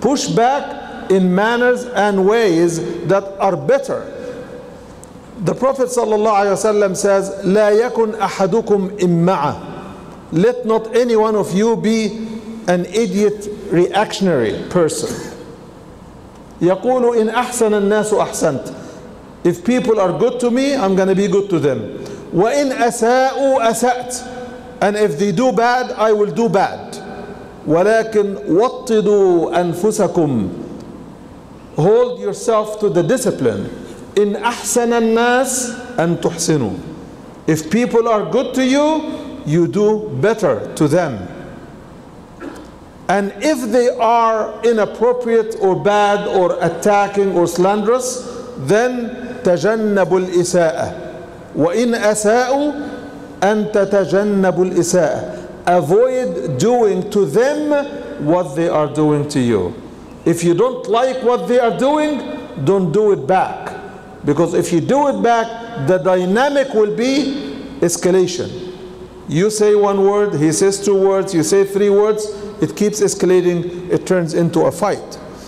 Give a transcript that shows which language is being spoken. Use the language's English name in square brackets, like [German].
[English] Push back in manners and ways that are better. The Prophet sallallahu alaihi wasallam says, [Arabic] لا يكن أحدكم إمعة. [English] Let not any one of you be an idiot reactionary person. [Arabic] يقول إن أحسن الناس أحسنت. [English] If people are good to me, I'm going to be good to them. [Arabic] وإن أساءوا أسأت. [English] And if they do bad, I will do bad. [Arabic] ولكن وطدوا أنفسكم. [English] Hold yourself to the discipline. [Arabic] إن أحسن الناس أن تحسنوا. [English] If people are good to you, you do better to them. And if they are inappropriate or bad or attacking or slanderous, then [Arabic] تجنبوا الإساءة. وإن أساءوا أن تتجنبوا الإساءة. [English] Avoid doing to them what they are doing to you. If you don't like what they are doing, don't do it back. Because if you do it back, the dynamic will be escalation. You say one word, he says two words, you say three words, it keeps escalating, it turns into a fight.